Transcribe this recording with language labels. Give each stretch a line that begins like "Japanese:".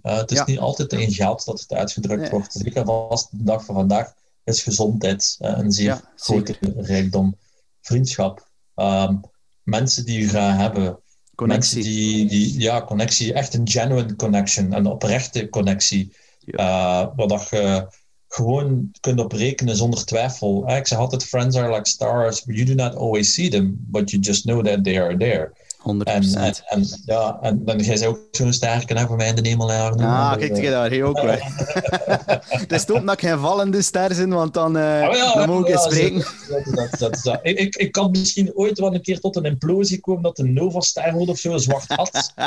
Dutch: Het is niet altijd in geld dat het uitgedrukt wordt. Zeker vast de dag van vandaag is gezondheid een zeer grote rijkdom. Vriendschap. Mensen die je graag hebben. Connectie. Mensen die, ja, connectie. Echt een
English: genuine connection.
Dutch: Een oprechte connectie. Waar je gewoon kunt op rekenen zonder twijfel. Ik zeg altijd,
English: friends are like stars. You do not always see them, but you just know that they are there. 100%.
Dutch: En jij zei ook zo'n sterke naar voor mij in de hemel. Kijk je daar, hij ook wel. Het is toch dat ik geen vallende ster zijn, want dan, dan moet ik eens spreken. Ik kan misschien ooit wel een keer tot een implosie komen dat een Nova ster wordt of zo, een zwart gat.